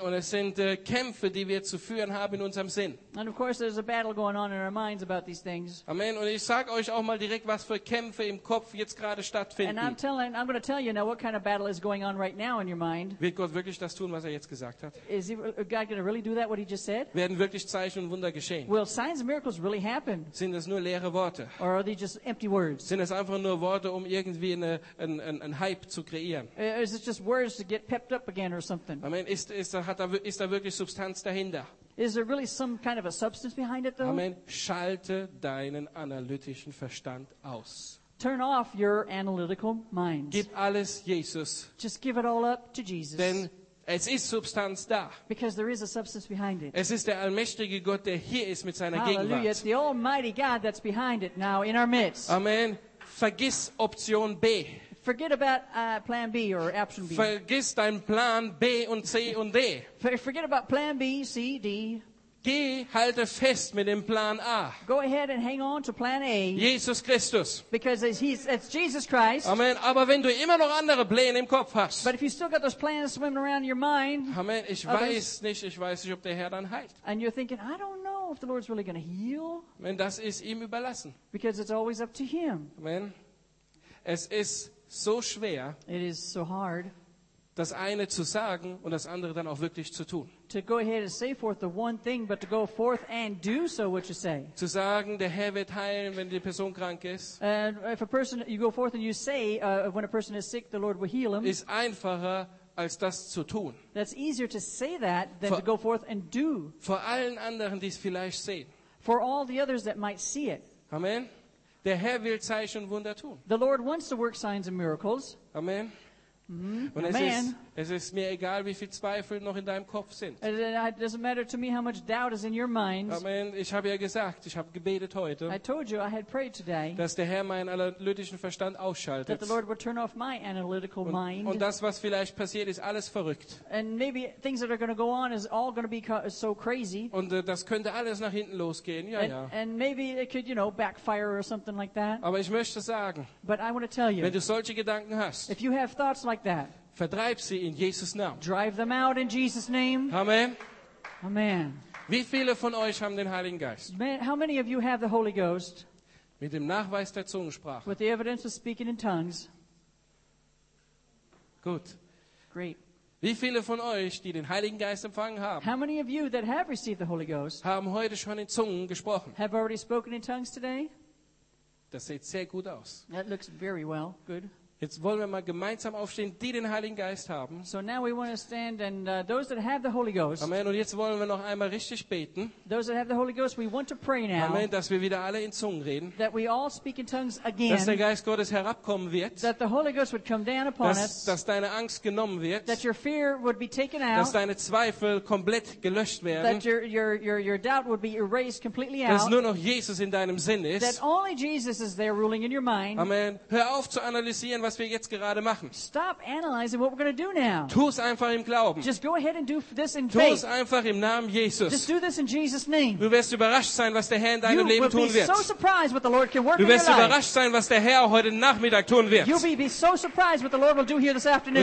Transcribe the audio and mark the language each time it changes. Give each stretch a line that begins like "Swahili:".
German: Und es sind Kämpfe, die wir zu führen haben in unserem Sinn.
English: And of course, there's a battle going on in our minds about these things. Amen.
German: Und ich sage euch auch mal direkt, was für Kämpfe im Kopf jetzt gerade stattfinden.
English: And I'm going to tell you now what kind of battle is going on right now in your mind.
German: Wird Gott wirklich das tun, was er jetzt gesagt hat?
English: Is God going to really do that, what he just said?
German: Werden wirklich Zeichen und Wunder geschehen?
English: Will signs and miracles really happen?
German: Sind das nur leere Worte?
English: Or are they just empty words?
German: Sind es einfach nur Worte, um irgendwie einen Hype zu kreieren?
English: Or is it just words to get pepped up again or something? Amen.
German: Ist da wirklich Substanz dahinter?
English: Is there really some kind of a substance behind it, though? Amen.
German: Schalte deinen analytischen Verstand aus.
English: Turn off your analytical mind.
German: Gib alles Jesus.
English: Just give it all up to Jesus.
German: Denn es ist Substanz da.
English: Because there is a substance behind it.
German: Es ist der allmächtige Gott, der hier ist mit seiner Hallelujah. Gegenwart.
English: It's the almighty God that's behind it now in our midst.
German: Amen. Vergiss Option B.
English: Forget about Plan B or Option B.
German: Vergiss dein Plan B und C und D.
English: Forget about Plan B, C, D.
German: Geh, halte fest mit dem Plan A.
English: Go ahead and hang on to Plan A.
German: Jesus Christus.
English: Because it's Jesus Christ. Amen.
German: Aber wenn du immer noch andere Pläne im Kopf hast.
English: But if you still got those plans swimming around in your mind. Amen.
German: Ich weiß nicht, ob der Herr dann heilt.
English: And you're thinking, I don't know if the Lord's really going to heal.
German: Amen. Das ist ihm überlassen.
English: Because it's always up to him.
German: Amen. Es ist so schwer,
English: it is so hard,
German: das eine zu sagen und das andere dann auch wirklich zu tun.
English: To go ahead and say forth the one thing, but to go forth and do so what you say.
German: Zu sagen, der Herr wird heilen, wenn die Person krank ist.
English: And if a person, you go forth and you say, when a person is sick, the Lord will heal him.
German: Ist einfacher, als das zu tun.
English: That's easier to say that than to go forth and do.
German: Vor allen anderen, die es vielleicht sehen.
English: For all the others that might see it. Amen.
German: Der Herr will Zeichen und Wunder tun.
English: The Lord wants to work signs and miracles. Amen. Mm-hmm.
German: Und es Amen. Ist Es ist mir egal, wie viel Zweifel noch in deinem Kopf sind.
English: It doesn't matter to me how much doubt is in your mind. Amen.
German: Ich habe ja gesagt, ich habe gebetet heute.
English: I told you I had prayed today.
German: Dass der Herr meinen analytischen Verstand ausschaltet.
English: That the Lord would turn off my analytical mind.
German: Und das, was vielleicht passiert, ist alles verrückt.
English: And maybe things that are going to go on is all going to be so crazy.
German: Und das könnte alles nach hinten losgehen. Ja, ja.
English: And maybe it could, you know, backfire or something like that.
German: Aber ich möchte sagen,
English: but I want to tell you,
German: wenn du solche Gedanken hast,
English: if you have thoughts like that,
German: vertreib sie in Jesus' Namen.
English: Drive them out in Jesus' name. Amen. Amen.
German: Wie viele von euch haben den Heiligen Geist?
English: How many of you have the Holy Ghost?
German: Mit dem Nachweis der Zungensprache.
English: With the evidence of speaking in tongues.
German: Gut.
English: Great.
German: Wie viele von euch, die den Heiligen Geist empfangen haben,
English: how many of you that have received the Holy Ghost,
German: haben heute schon in Zungen gesprochen?
English: Have already spoken in tongues today?
German: Das sieht sehr gut aus.
English: That looks very well. Good.
German: Jetzt wollen wir mal gemeinsam aufstehen, die den Heiligen Geist haben.
English: So now we want to stand and those that have the Holy Ghost. Amen.
German: Und jetzt wollen wir noch einmal richtig beten.
English: Those that have the Holy Ghost, we want to pray now. Amen.
German: Dass wir wieder alle in Zungen reden.
English: That we all speak in tongues again.
German: Dass der Geist Gottes herabkommen wird.
English: That the Holy Ghost would come down upon us.
German: Dass deine Angst genommen wird.
English: That your fear would be taken out.
German: Dass deine Zweifel komplett gelöscht werden.
English: That your doubt would be erased completely out.
German: Dass nur noch Jesus in deinem Sinn ist.
English: That only Jesus is there ruling in your mind. Amen.
German: Hör auf zu analysieren, was wir jetzt gerade machen.
English: Stop analyzing what we're going to do now.
German: Tu es einfach im Glauben.
English: Just go ahead and do this in faith.
German: Tu es einfach im Namen Jesus.
English: Just do this in Jesus' name.
German: Du wirst überrascht sein, was der Herr in deinem Leben tun wird.
English: You will be so surprised what the Lord can work in your life.
German: Du wirst überrascht sein, was der Herr heute Nachmittag tun wird.
English: You'll be so surprised what the Lord will do here this afternoon.